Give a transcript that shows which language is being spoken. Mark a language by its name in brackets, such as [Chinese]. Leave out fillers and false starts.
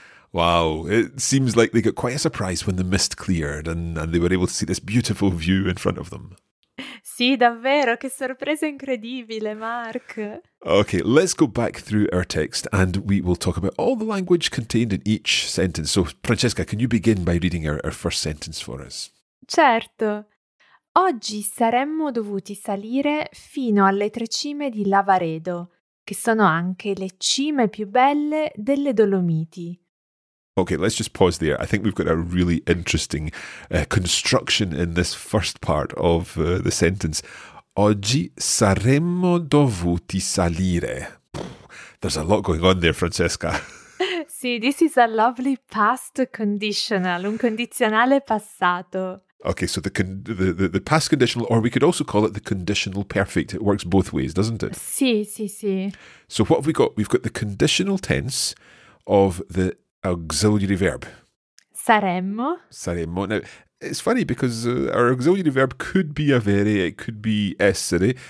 [English] Wow, it seems like they got quite a surprise when the mist cleared and they were able to see this beautiful view in front of them. [Italian] Sì, davvero, che sorpresa incredibile, Mark. [English] Okay, let's go back through our text and we will talk about all the language contained in each sentence. So, Francesca, can you begin by reading our first sentence for us? [Italian] Certo. Oggi saremmo dovuti salire fino alle tre cime di Lavaredo, che sono anche le cime più belle delle Dolomiti. [English] Okay, let's just pause there. I think we've got a really interesting construction in this first part of the sentence. [Italian] Oggi saremmo dovuti salire. [English] There's a lot going on there, Francesca. Sì, this is a lovely past conditional, [Italian] un condizionale passato. [English] Okay, so the past conditional, or we could also call it the conditional perfect. It works both ways, doesn't it? [Italian] Sì, sì, sì. [English] So what have we got? We've got the conditional tense of the auxiliary verb. [Italian] Saremmo. Saremmo. [English] Now, it's funny because our auxiliary verb could be avere, it could be essere.